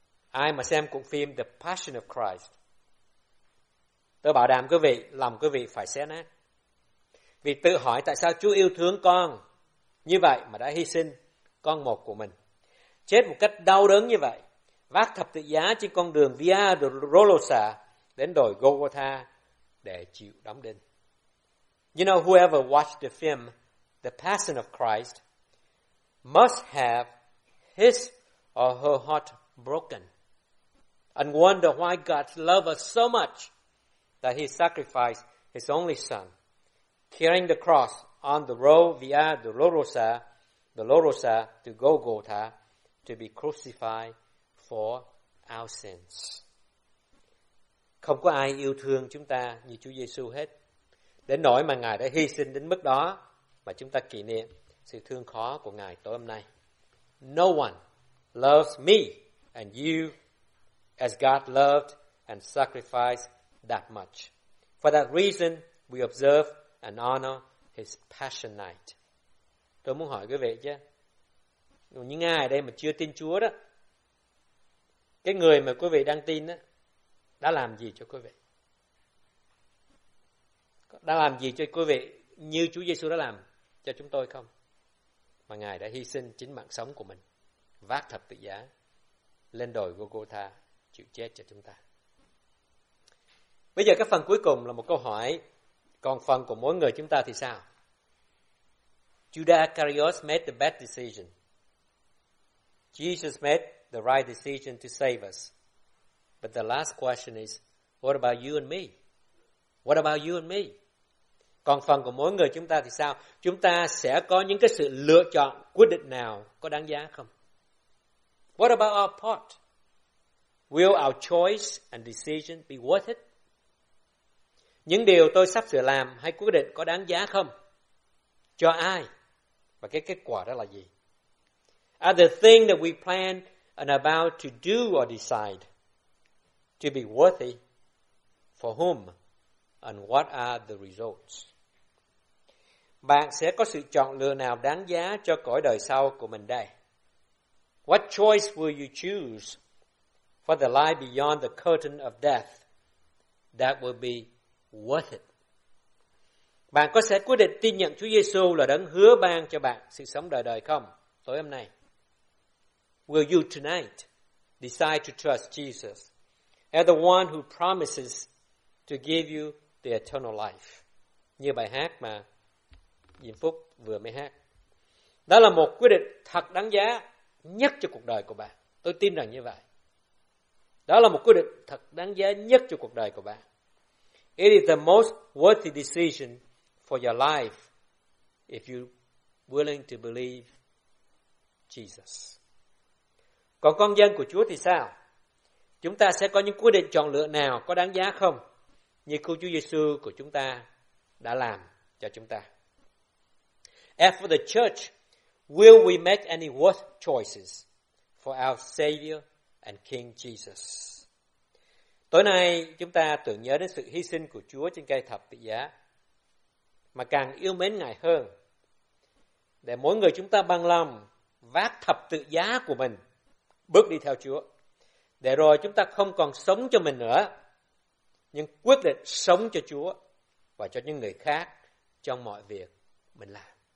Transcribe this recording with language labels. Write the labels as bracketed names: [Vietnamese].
[Vietnamese] Ai mà xem cuộc phim The Passion of Christ, tôi bảo đảm quý vị, lòng quý vị phải xé nát. Vì tự hỏi tại sao Chúa yêu thương con như vậy mà đã hy sinh con một của mình. Chết một cách đau đớn như vậy, vác thập tự giá trên con đường Via Dolorosa đến đồi Golgotha để chịu đóng đinh. [English] You know, whoever watched the film The Passion of Christ must have his or her heart broken and wonder why God loved us so much that he sacrificed his only son, carrying the cross on the road Via Dolorosa, Dolorosa to Golgotha to be crucified for our sins. [Vietnamese] Không có ai yêu thương chúng ta như Chúa Giê-xu hết, đến nỗi mà Ngài đã hy sinh đến mức đó mà chúng ta kỷ niệm sự thương khó của Ngài tối hôm nay. [English] No one loves me and you as God loved and sacrificed that much. For that reason, we observe and honor his Passion Night. [Vietnamese] Tôi muốn hỏi quý vị chứ, những ai ở đây mà chưa tin Chúa đó, cái người mà quý vị đang tin đó, đã làm gì cho quý vị? Đã làm gì cho quý vị như Chúa Giê-xu đã làm cho chúng tôi không? Mà Ngài đã hy sinh chính mạng sống của mình, vác thập tự giá, lên đồi Golgotha, chịu chết cho chúng ta. Bây giờ cái phần cuối cùng là một câu hỏi, còn phần của mỗi người chúng ta thì sao? [English] Judas Iscariot made the bad decision. Jesus made the right decision to save us. But the last question is, what about you and me? What about you and me? [Vietnamese] Còn phần của mỗi người chúng ta thì sao? Chúng ta sẽ có những cái sự lựa chọn, quyết định nào có đáng giá không? [English] What about our part? Will our choice and decision be worth it? [Vietnamese] Những điều tôi sắp sửa làm hay quyết định có đáng giá không? Cho ai? Và cái kết quả đó là gì? [English] Are the things that we plan and about to do or decide to be worthy? For whom? And what are the results? [Vietnamese] Bạn sẽ có sự chọn lựa nào đáng giá cho cõi đời sau của mình đây? [English] What choice will you choose for the life beyond the curtain of death that will be worth it? [Vietnamese] Bạn có sẽ quyết định tin nhận Chúa Giê-xu là đấng hứa ban cho bạn sự sống đời đời không tối hôm nay? [English] Will you tonight decide to trust Jesus as the one who promises to give you the eternal life? [Vietnamese] Như bài hát mà Diễm Phúc vừa mới hát. Đó là một quyết định thật đáng giá nhất cho cuộc đời của bạn. Tôi tin rằng như vậy. Đó là một quyết định thật đáng giá nhất cho cuộc đời của bạn. [English] It is the most worthy decision for your life if you're willing to believe Jesus. [Vietnamese] Còn con dân của Chúa thì sao? Chúng ta sẽ có những quyết định chọn lựa nào có đáng giá không? Như cô Chúa Giê-xu của chúng ta đã làm cho chúng ta. [English] As for the church, will we make any worth choices for our Savior and King Jesus? [Vietnamese] Tối nay chúng ta tưởng nhớ đến sự hy sinh của Chúa trên cây thập tự giá, mà càng yêu mến Ngài hơn, để mỗi người chúng ta bằng lòng vác thập tự giá của mình bước đi theo Chúa, để rồi chúng ta không còn sống cho mình nữa, nhưng quyết định sống cho Chúa và cho những người khác trong mọi việc mình làm.